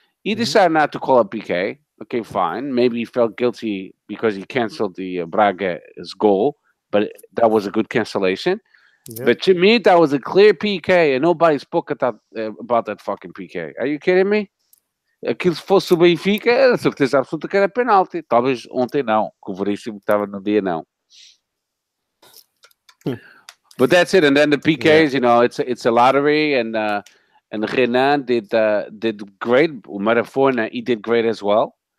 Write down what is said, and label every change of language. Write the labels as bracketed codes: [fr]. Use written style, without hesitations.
[en] He decided not to call it PK. Okay, fine. Maybe he felt guilty because he canceled the Braga's goal, but that was a good cancellation. Yep. But to me, that was a clear PK, and nobody spoke about that fucking PK. Are you kidding me? [pt] Aquilo se fosse o Benfica, era certeza absoluta que era penalti. Talvez ontem não, que o Veríssimo estava no dia não. [en] But that's it, and then the PKs, you know, it's a lottery, and Renan did great, Marafona, he did great as well.